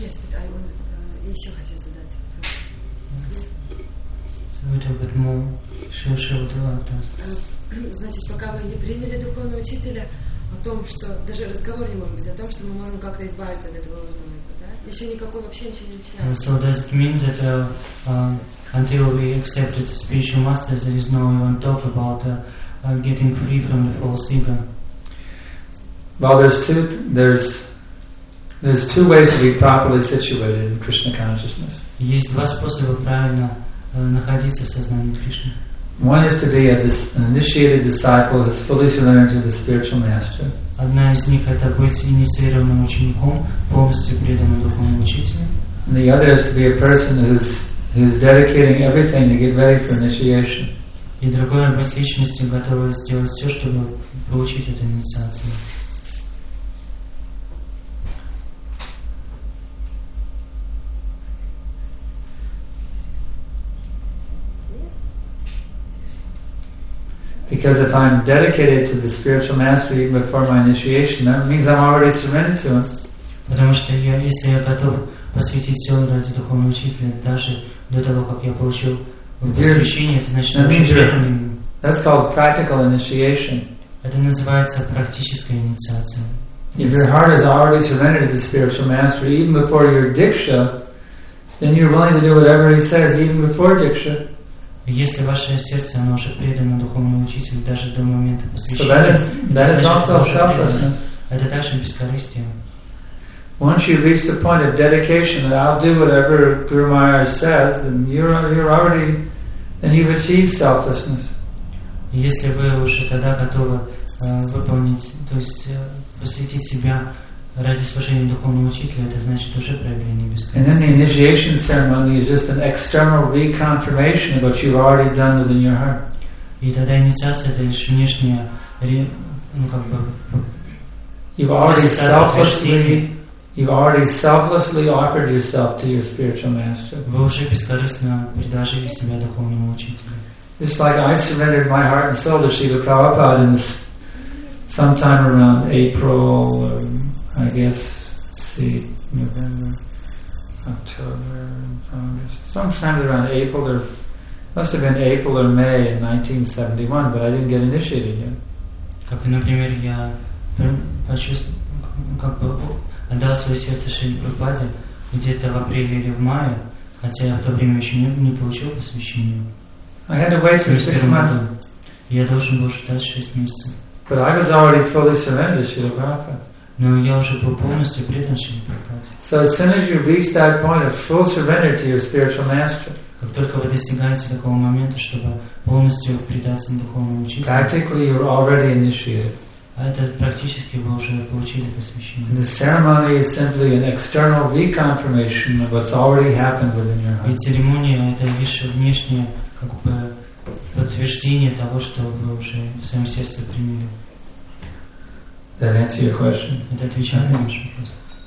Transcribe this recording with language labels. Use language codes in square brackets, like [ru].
[en] Yes, but I want [ru] еще хочу задать вопрос. [en] Yes. Little bit more. [ru] Значит, пока мы не приняли духовного учителя о том, что даже разговор не может быть, о том, что мы можем как-то избавиться от этого ложного эго, да? Еще никакого вообще ничего не начинается. [en] So does it mean that until we accepted spiritual masters, there is no even talk about getting free from the false ego. Well, there's two ways to be properly situated in Krishna consciousness. [ru] Есть два способа правильно находиться в сознании Кришны. [en] One is to be an initiated disciple who's fully surrendered to the spiritual master. [ru] Одна из них это быть инициированным учеником, полностью преданным духовному учителю. [en] And the other is to be a person who's dedicating everything to get ready for initiation. [ru] И другое, быть личностью, готовой сделать все, чтобы получить эту инициацию. [en] Because if I'm dedicated to the spiritual master even before my initiation, that means I'm already surrendered to him. [ru] Потому что если я готов посвятить все ради духовного учителя, даже до того, как я получил посвящение, это значит, [en] that's called practical initiation. [ru] Это называется практическая инициация. [en] If your heart is already surrendered to the spiritual master, even before your diksha, then you're willing to do whatever he says, even before diksha. [ru] Если ваше сердце, оно уже предано духовному учителю, даже до момента посвящения, so это также бескорыстие. [en] Once you reach the point of dedication that I'll do whatever Guru Maharaj says, then you're already then you achieve selflessness. [ru] Если вы уже тогда готовы выполнить, то есть посвятить себя ради служения духовному учителю, это значит уже проявление бескорыстия. [en] And then the initiation ceremony is just an external reconfirmation of what you've already done within your heart. [ru] И тогда инициация — это лишь внешняя, ну как бы. [en] You've already selflessly offered yourself to your spiritual master. [ru] Вы уже бескорыстно предложили себя духовному учителю. [en] Just like I surrendered my heart and soul to Srila Prabhupada in this, sometime around April, or I guess, see, November, October, August, sometime around April, or must have been April or May in 1971, but I didn't get initiated yet. [ru] Как, например, я почувствовал, как бы отдал свое сердце Шри Прабхупаде где-то в апреле или в мае, хотя я в то время еще не получил посвящение. [en] I had to wait for 6 months. [ru] Я должен был ждать 6 месяцев. [en] But I was already fully surrendered to Srila Prabhupada. [ru] Но я уже был полностью предан Шриле Прабхупаде. [en] So as soon as you reach that point of full surrender to your spiritual master, [ru] как только вы достигаете такого момента, чтобы полностью предаться духовному учителю, [en] practically you're already initiated. [ru] А это практически вы уже получили посвящение. [en] The ceremony is simply an external reconfirmation of what's already happened within your heart. [ru] И церемония — это лишь внешнее как бы подтверждение того, что вы уже в своем сердце приняли. [en] That answer your question? [ru] Это отвечает на ваш вопрос.